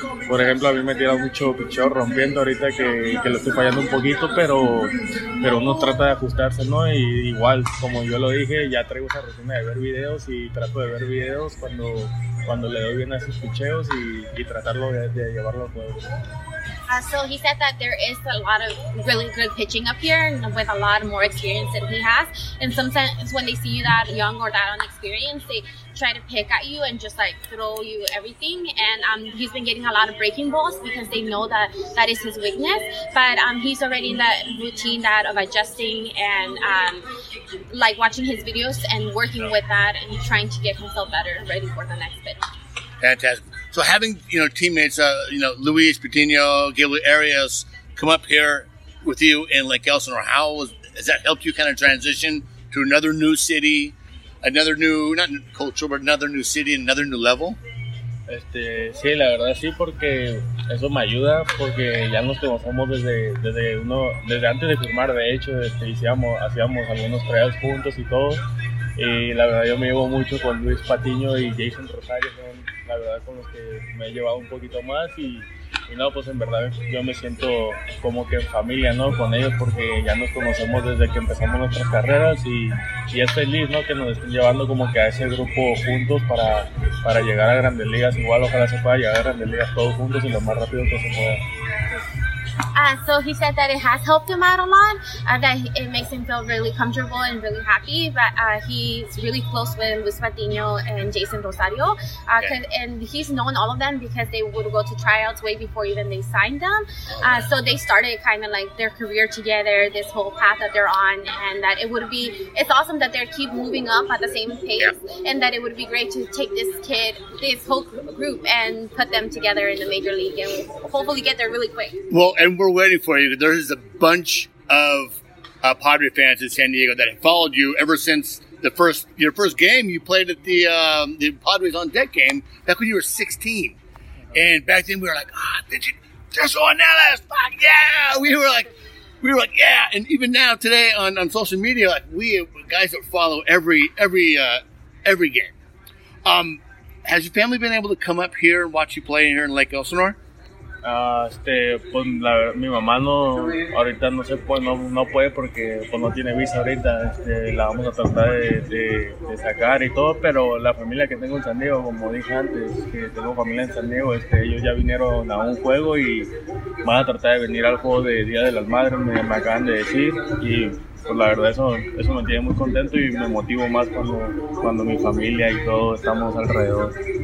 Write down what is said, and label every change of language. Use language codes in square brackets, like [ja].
[es] Por ejemplo, a mí me tira mucho picheo rompiendo ahorita que lo estoy fallando un poquito, pero uno trata de ajustarse, ¿no? Y igual, como yo lo dije, ya traigo esa rutina de ver videos y trato de ver videos cuando le doy bien a esos picheos y tratarlo de llevarlo a juego. [en] So he said that there is a lot of really good pitching up here with a lot more experience than he has. And sometimes when they see you that young or that inexperienced, they try to pick at you and just like throw you everything. And he's been getting a lot of breaking balls because they know that that is his weakness. But he's already in that routine that of adjusting and like watching his videos and working with that and trying to get himself better and ready for the next pitch. Fantastic. So having, you know, teammates, Luis Patino, Gilbert Arias come up here with you in Lake Elsinore, how has that helped you kind of transition to another new city, another new, not culture, but another new city, another new level? [es] Sí, la verdad sí, porque eso me ayuda, porque ya nos conocemos desde antes de firmar, de hecho, hacíamos algunos trials juntos y todo. Y la verdad yo me llevo mucho con Luis Patiño y Jason Rosario, son la verdad con los que me he llevado un poquito más y no, pues en verdad yo me siento como que en familia, ¿no? Con ellos porque ya nos conocemos desde que empezamos nuestras carreras y es feliz, ¿no? Que nos estén llevando como que a ese grupo juntos para llegar a Grandes Ligas. Igual ojalá se pueda llegar a Grandes Ligas todos juntos y lo más rápido que se pueda. [en] So he said that it has helped him out a lot, that it makes him feel really comfortable and really happy, but he's really close with Luis Patiño and Jason Rosario, and he's known all of them because they would go to tryouts way before even they signed them, so they started kind of like their career together, this whole path that they're on, and that it would be, it's awesome that they keep moving up at the same pace, and that it would be great to take this kid, this whole group, and put them together in the major league, and hopefully get there really quick. Well, and we're waiting for you. There is a bunch of Padre fans in San Diego that have followed you ever since the first your first game you played at the Padres on Deck game back when you were 16. And back then we were like, Jesús Ornelas, fuck yeah! And even now today on social media, like we guys that follow every game. Has your family been able to come up here and watch you play here in Lake Elsinore? [es] Pues la, mi mamá no, ahorita no se puede, no, no puede porque pues no tiene visa ahorita, la vamos a tratar de sacar y todo, pero la familia que tengo en San Diego, como dije antes, que tengo familia en San Diego, ellos ya vinieron a un juego y van a tratar de venir al juego de Día de las Madres, me acaban de decir, y pues la verdad eso me tiene muy contento y me motivo más cuando mi familia y todo estamos alrededor.